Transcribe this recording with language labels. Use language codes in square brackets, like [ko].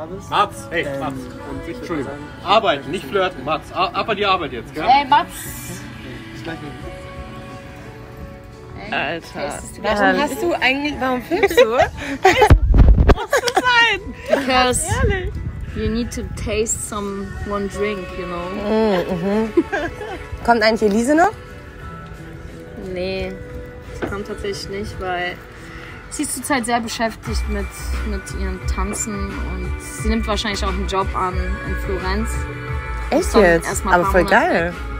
[de] Mats, hey, Mats. Und Entschuldigung. Arbeiten, nicht flirten. Mats, ab an die Arbeit jetzt, gell? Hey, Mats. Alter. Warum hast du eigentlich, warum filmst du? Was muss das sein? Because ehrlich. [en] You need to taste some one drink, you know? [de] Kommt eigentlich Elise noch? Nee, sie kommt tatsächlich nicht, weil sie ist zurzeit sehr beschäftigt mit ihren Tanzen und sie nimmt wahrscheinlich auch einen Job an in Florenz. Echt jetzt? Aber voll geil.